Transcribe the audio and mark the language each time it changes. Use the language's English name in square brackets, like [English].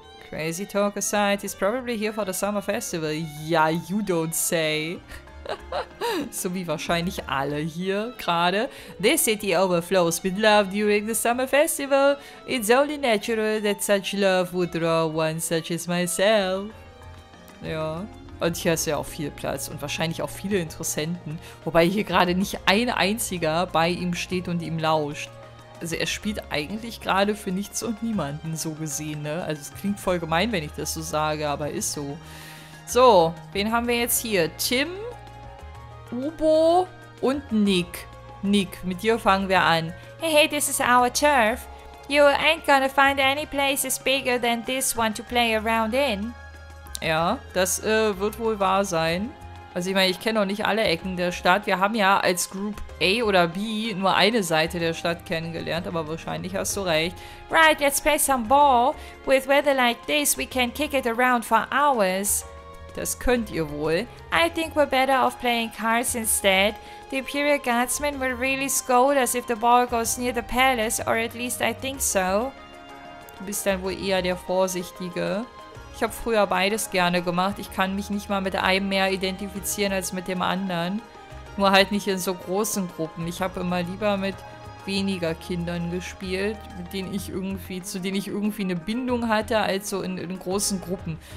[English] Crazy talk aside, he's probably here for the summer festival. Yeah, you don't say. [German] So wie wahrscheinlich alle hier gerade. [English] This city overflows with love during the summer festival. It's only natural that such love would draw one such as myself. [German] Ja. Und hier ist ja auch viel Platz und wahrscheinlich auch viele Interessenten. Wobei hier gerade nicht ein einziger bei ihm steht und ihm lauscht. Also er spielt eigentlich gerade für nichts und niemanden, so gesehen, ne? Also es klingt voll gemein, wenn ich das so sage, aber ist so. So, wen haben wir jetzt hier? Tim, Ubo und Nick. Nick, mit dir fangen wir an. [English] Hey, this is our turf. You ain't gonna find any places bigger than this one to play around in. [German] Ja, das wird wohl wahr sein. Also ich meine, ich kenne noch nicht alle Ecken der Stadt. Wir haben ja als Group A oder B nur eine Seite der Stadt kennengelernt, aber wahrscheinlich hast du recht. [English] Right, let's play some ball. With weather like this, we can kick it around for hours. [German] Das könnt ihr wohl. [English] I think we're better off playing cards instead. The Imperial Guardsmen will really scold us if the ball goes near the palace, or at least I think so. [German] Du bist dann wohl eher der Vorsichtige. Ich habe früher beides gerne gemacht. Ich kann mich nicht mal mit einem mehr identifizieren als mit dem anderen. Nur halt nicht in so großen Gruppen. Ich habe immer lieber mit weniger Kindern gespielt, zu denen ich irgendwie eine Bindung hatte, als so in großen Gruppen.